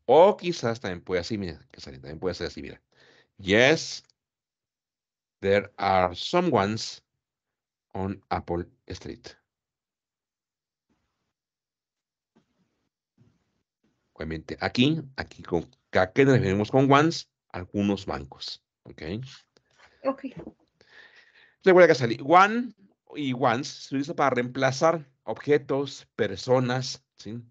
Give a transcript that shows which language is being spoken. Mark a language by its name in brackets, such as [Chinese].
[Spanish] Or quizás también puede así, mira, que sale, también puede ser así, mira. [English] Yes, there are some ones on Apple Street. [Spanish] Obviamente, aquí con que nos referimos con ones, algunos bancos. Okay. Okay. Recuerda que sale one y ones se utiliza para reemplazar objetos, personas, ¿sí?